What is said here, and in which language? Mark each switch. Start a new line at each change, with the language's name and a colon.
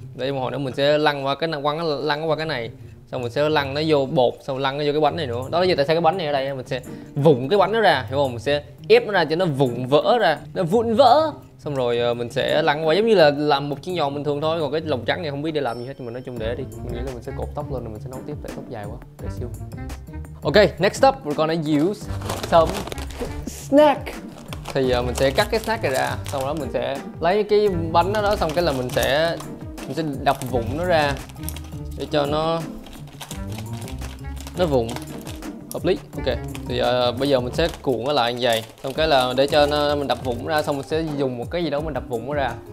Vietnamese: Để một hồi nữa mình sẽ lăn qua cái này. Xong mình sẽ lăn nó vô bột, xong lăn nó vô cái bánh này nữa. Đó là vì tại sao cái bánh này ở đây, mình sẽ vụn cái bánh nó ra, hiểu không? Mình sẽ ép nó ra cho nó vụn vỡ ra. Nó vụn vỡ. Xong rồi mình sẽ lăn qua giống như là làm một chiếc nhòn bình thường thôi. Còn cái lòng trắng này không biết để làm gì hết, nhưng mà nói chung để đi. Mình nghĩ là mình sẽ cột tóc lên rồi mình sẽ nấu tiếp, tại tóc dài quá. Để siêu.
English: Ok, next up we're gonna use some snack.
Vietnamese: Thì giờ mình sẽ cắt cái snack này ra, xong đó mình sẽ lấy cái bánh đó, xong cái là mình sẽ đập vụn nó ra để cho nó vụn. Hợp lý. Ok, thì bây giờ mình sẽ cuộn nó lại như vậy, xong cái là để cho nó mình đập vụn ra, xong mình sẽ dùng một cái gì đó mình đập vụn nó ra.